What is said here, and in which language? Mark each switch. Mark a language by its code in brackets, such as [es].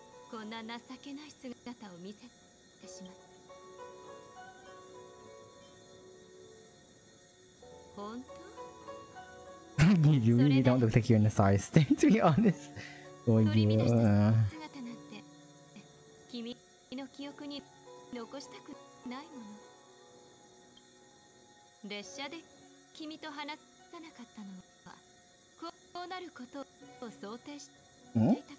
[ja] こんな情けない姿を見せてしまった。本当？ [en] You really don't look like you're in a sorry state, to be honest. Oh, you. [ja] 姿なんて、君の記憶に残したくないもの。列車で君と話さなかったのは、こうなること。想定していたからよ。